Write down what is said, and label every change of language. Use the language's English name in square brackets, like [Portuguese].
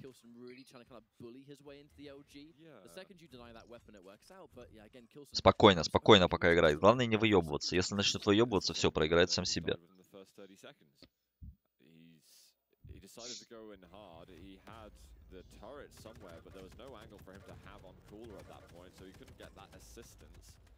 [English] Kilsen really trying to kind of bully his way into the LG. The second you deny that weapon, it works out, but yeah, again, Kilsen... [Russian] Спокойно, спокойно пока играет. Главное не выебываться. Если начнет выебываться, все, проиграет сам себе. [English] Decided to go in hard. He had the turret somewhere, but there was no angle for him to have on Cooler at that point, so he couldn't get that assistance.